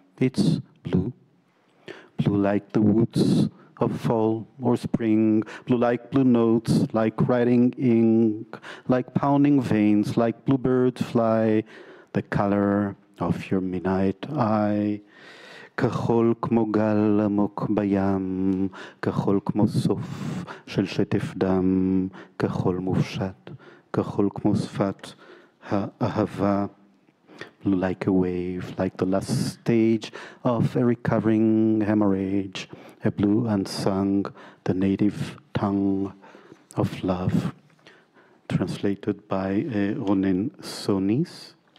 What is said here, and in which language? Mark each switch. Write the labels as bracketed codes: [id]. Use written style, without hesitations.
[en] It's blue, blue like the woods of fall or spring, blue like blue notes, like writing ink, like pounding veins, like bluebirds fly, the color of your midnight eye. [he] כחול כמו גל עמוק בים, כחול כמו סוף של שטף דם, כחול מופשט, כחול כמו שפת האהבה. [en] Like a wave, like the last stage of a recovering hemorrhage, a blue unsung, the native tongue of love. Translated by Ronen Sonis.